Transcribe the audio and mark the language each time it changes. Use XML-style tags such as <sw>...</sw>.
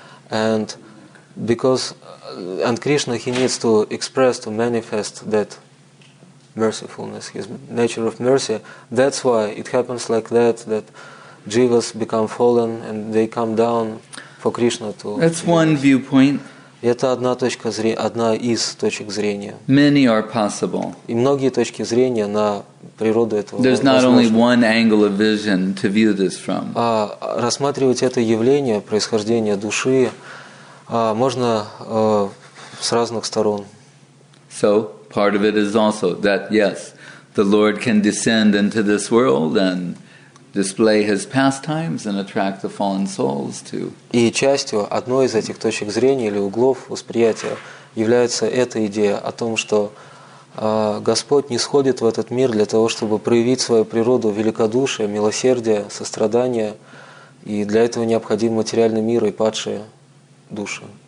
<en>And because and Krishna, he needs to express, to manifest that mercifulness, his nature of mercy. That's why it happens like that, that jivas become fallen and they come down for Krishna to... That's one viewpoint.</en> <ru>Это одна точка зрения, одна из точек зрения.</ru> <en>Many are possible.</en> <ru>И многие точки зрения на природу этого.</ru> <en>There's not only one angle of vision to view this from.</en> <ru>Рассматривать это явление, происхождение души, можно с разных сторон.</ru> <en>So part of it is also that yes, the Lord can descend into this world and display his pastimes and attract the fallen souls too.</en> <ru>И частью одной из этих точек зрения или углов восприятия является эта идея о том, что Господь нисходит в этот мир для того, чтобы проявить свою природу великодушия, милосердия, сострадания, и для этого необходим материальный мир и падшие души.</ru>